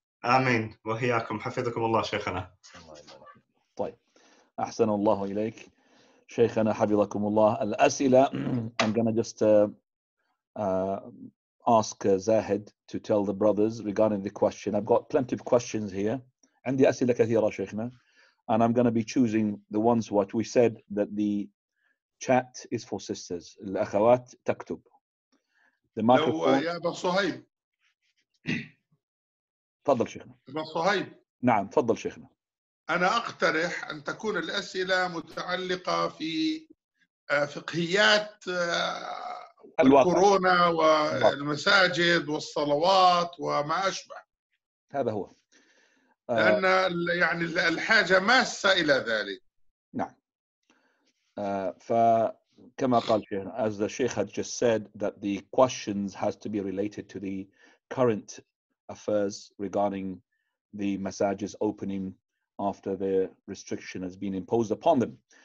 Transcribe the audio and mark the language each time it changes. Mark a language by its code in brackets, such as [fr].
[ar] آمين وهياكم حفظكم الله شيخنا طيب أحسن الله إليك شيخنا حفظكم الله الأسئلة [en] I'm gonna just ask Zahid to tell the brothers regarding the question I've got plenty of questions here [ar] عندي أسئلة كثيرة شيخنا [en] and I'm going to be choosing the ones what we said that the chat is for sisters. [ar] الأخوات تكتب. [en] The microphone. [ar] يا أبو صهيب. تفضل شيخنا. أبو صهيب. نعم تفضل شيخنا. أنا أقترح أن تكون الأسئلة متعلقة في فقهيات الكورونا والمساجد والصلوات وما أشبه. هذا هو. لأن يعني الحاجة ماسة إلى ذلك. نعم. فكما قال شيخنا, [en] as the sheikh had just said that the questions has to be related to the current affairs regarding the massages opening after the restriction has been imposed upon them.